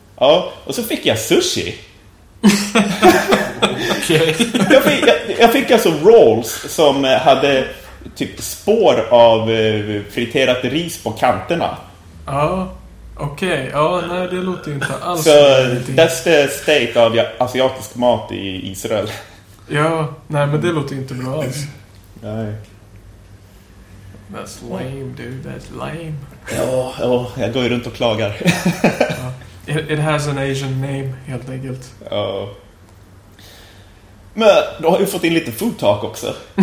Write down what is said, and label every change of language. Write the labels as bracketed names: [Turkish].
[Swedish] Ja, och så fick jag sushi. Okej. Jag fick alltså rolls som hade typ spår av friterat ris på kanterna. Ja, okej. Okay. Ja, nej, det låter ju inte alls. Så [English] that's the state [Swedish] av asiatisk mat i Israel. Ja, nej, men det låter inte bra alls. Nej. [English] That's lame, dude. That's lame. [Swedish] Ja, jag går ju runt och klagar. [English] It has an Asian name, [Swedish] helt enkelt. Ja. Men du har ju fått in lite [English] food talk [Swedish] också.